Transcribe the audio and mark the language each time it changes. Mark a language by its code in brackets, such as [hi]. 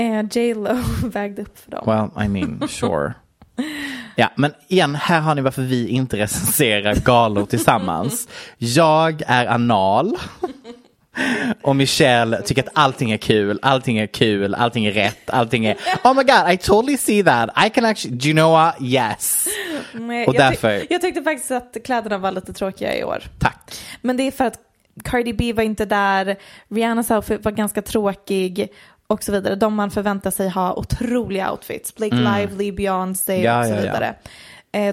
[sv] J-Lo vägde upp för dem. [en] Well, I mean, sure. [sv] Ja, men igen, här har ni varför vi inte recenserar galor tillsammans. Jag är anal. Och Michelle tycker att allting är kul. Allting är kul, allting är rätt. Allting är, [en] oh my god, I totally see that. I can actually, do you know what, yes. [sv] Men och därför jag tyckte faktiskt att kläderna var lite tråkiga i år. Tack. Men det är för att Cardi B var inte där. Rihannas outfit var ganska tråkig. Och så vidare, de man förväntar sig ha otroliga outfits. Blake Lively, Beyoncé, ja, och så vidare, ja.